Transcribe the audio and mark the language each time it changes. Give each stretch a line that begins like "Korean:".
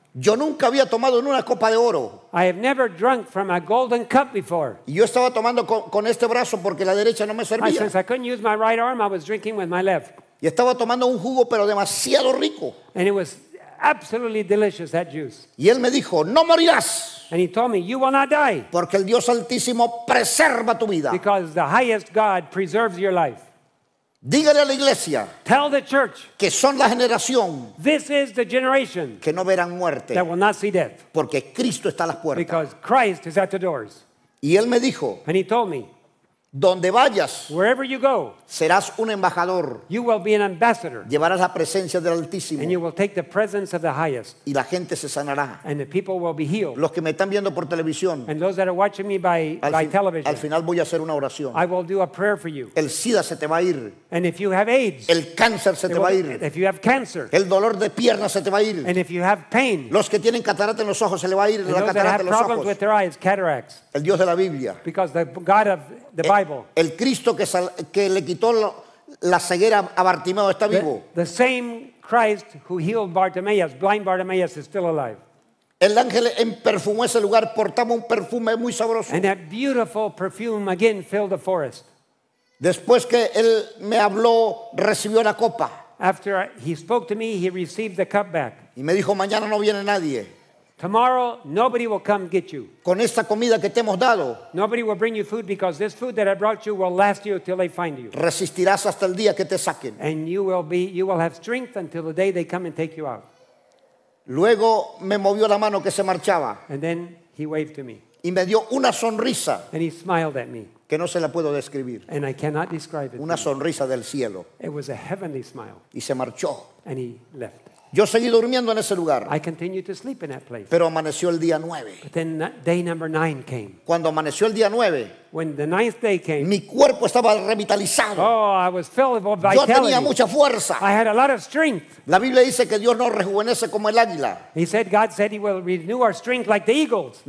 Spanish: Yo nunca había tomado en una copa de oro.
English: I have never drunk from a golden cup before.
Spanish: Y yo estaba tomando con este brazo porque la derecha no me servía.
English: Since I couldn't use my right arm, I was drinking with my left.
Spanish: Y estaba tomando un jugo, pero demasiado rico.
English: And it was absolutely delicious, that juice.
Spanish: Y él me dijo, no morirás.
English: And he told me, you will not die.
Spanish: Porque el Dios Altísimo preserva tu vida.
English: Because the highest God preserves your life.
Spanish: Dígale a la iglesia.
English: Tell the church.
Spanish: Que son la generación.
English: This is the generation.
Spanish: Que no verán muerte.
English: That will not see death.
Spanish: Porque Cristo está a las puertas.
English: Because Christ is at the doors.
Spanish: Y él me dijo.
English: And he told me.
Spanish: Donde vayas.
English: Wherever you go.
Spanish: Serás un embajador.
English: You will be an ambassador.
Spanish: Llevarás la presencia del Altísimo.
English: And you will take the presence of the highest.
Spanish: Y la gente se sanará.
English: And the people will be healed.
Spanish: Los que me están viendo por televisión.
English: And those that are watching me by television.
Spanish: Al final voy a hacer una oración.
English: I will do a prayer for you.
Spanish: El SIDA se te va a ir.
English: And if you have AIDS.
Spanish: El cáncer se te va a ir.
English: If you have cancer.
Spanish: El dolor de pierna se te va a ir.
English: And if you have pain.
Spanish: Los que tienen catarata en los ojos se le va a ir la catarata en los ojos.
English: Those that have problems with their eyes, cataracts.
Spanish: El Dios de la Biblia.
English: Because the God of the Bible.
Spanish: El Cristo que le quitó la ceguera a Bartimeo está vivo.
English: The same Christ who healed Bartimaeus, blind Bartimaeus, is still alive.
Spanish: El ángel perfumó ese lugar, portaba un perfume muy sabroso.
English: And that beautiful perfume again filled the forest.
Spanish: Después que él me habló, recibió la copa.
English: After he spoke to me, he received the cup back.
Spanish: Y me dijo, mañana no viene nadie.
English: Tomorrow, nobody will come get you.
Spanish: Con esta comida que te hemos dado.
English: Nobody will bring you food because this food that I brought you will last you till they find you.
Spanish: Resistirás hasta el día que te saquen.
English: And you will have strength until the day they come and take you out.
Spanish: Luego me movió la mano que se marchaba.
English: And then he waved to me.
Spanish: Y me dio una sonrisa.
English: And he smiled at me.
Spanish: Que no se la puedo describir.
English: And I cannot describe it.
Spanish: Una sonrisa del cielo.
English: It was a heavenly smile.
Spanish: Y se marchó.
English: And he left.
Spanish: Yo seguí durmiendo en ese lugar.
English: I continued to sleep in that place.
Spanish: Pero amaneció el día 9.
English: But then day number 9 came.
Spanish: Cuando amaneció el día 9,
English: when the ninth day came,
Spanish: mi cuerpo estaba revitalizado.
English: Oh, I was filled with vitality.
Spanish: Yo tenía mucha fuerza.
English: I had a lot of strength.
Spanish: La Biblia dice que Dios nos rejuvenece como el águila.
English: He said, God said he will renew our strength like the eagles.